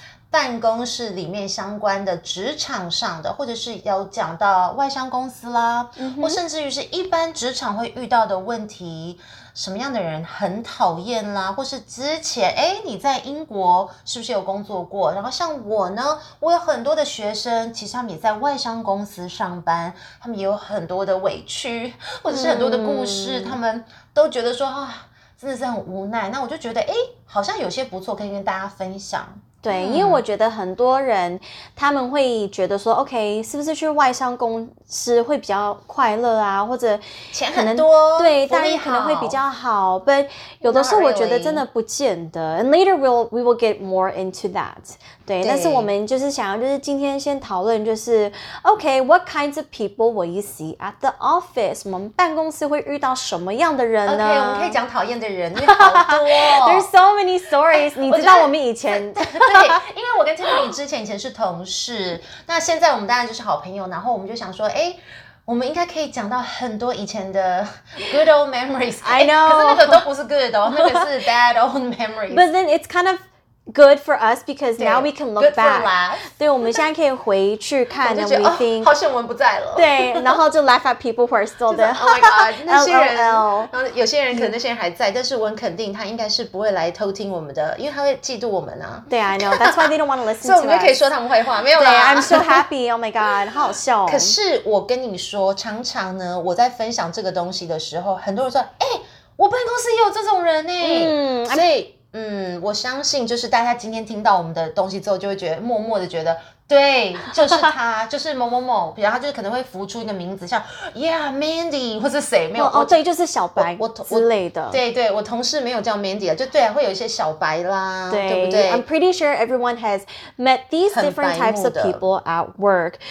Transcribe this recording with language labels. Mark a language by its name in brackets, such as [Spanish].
[Chinese] 办公室里面相关的职场上的，或者是要讲到外商公司啦，嗯，或甚至于是一般职场会遇到的问题，什么样的人很讨厌啦，或是之前哎你在英国是不是有工作过，然后像我呢，我有很多的学生其实他们也在外商公司上班，他们也有很多的委屈或者是很多的故事，嗯，他们都觉得说啊真的是很无奈，那我就觉得哎好像有些不错可以跟大家分享。对，因为我觉得很多人，他们会觉得说 ，OK， 是不是去外商公司会比较快乐啊？或者钱很多，对，福利可能会比较好。 [English] But [Chinese] 有的时候我觉得真的不见得。 [English] Really. And later we will get more into that. [Chinese] 对，但是我们就是想要就是今天先讨论就是 ，OK， [English] what kinds of people will you see at the office？ [Chinese] 我们办公室会遇到什么样的人呢？OK， 我们可以讲讨厌的人，因为好多。 [English] There's so many stories. [Chinese] 你知道我们以前。对，因为我跟 Tiffany 之前是同事，那现在我们当然就是好朋友，然后我们就想说，哎，我们应该可以讲到很多以前的 [English] good old memories。 I know， [Chinese] 可是那个都不是 good 哦，那个是 [English] bad old memories。 But then it's kind of good for us because now we can look back。 [Chinese] 对，我们现在可以回去看，我就觉得 [English] we think， [Chinese] 哦，好险我们不在了。对，然后就 [English] laugh at people who are still there。 Oh my god， [Chinese] 那些人，然后有些人可能那些人还在，但是我很肯定他应该是不会来偷听我们的，因为他会嫉妒我们啊。 [English] 对 ，I know that's why they don't want to listen to us。 [Chinese] 所以我们可以说他们坏话，没有啦。 [English] 对 ，I'm so happy。Oh my god， [Chinese] 好好笑，哦。可是我跟你说，常常呢，我在分享这个东西的时候，很多人说，哎，我办公室也有这种人呢。所以。我相信就是大家今天听到我们的东西之后，就会觉得默默的觉得，对，就是他，就是某某某，比如他就是可能会浮出一个名字，像 Yeah Mandy 或是谁，没有哦，对，就是小白我之类的，对对，我同事没有叫 Mandy 了，就对啊，会有一些小白啦，对，对不对 [English] ？I'm pretty sure everyone has met these different types of people at work。